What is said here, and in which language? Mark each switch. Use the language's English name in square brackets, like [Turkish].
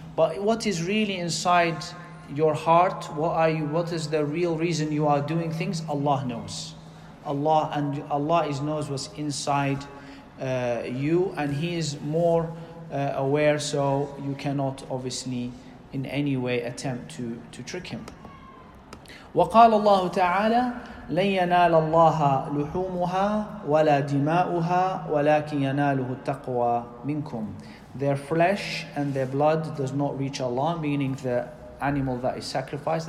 [English] But what is really inside your heart, what is the real reason you are doing things? Allah knows. Allah knows what's inside you, and He is more aware, so you cannot obviously in any way attempt to trick Him. [Arabic] وقال الله تعالى لن ينال الله لحومها ولا دماؤها ولكن يناله التقوى منكم. [English] Their flesh and their blood does not reach Allah, meaning the animal that is sacrificed.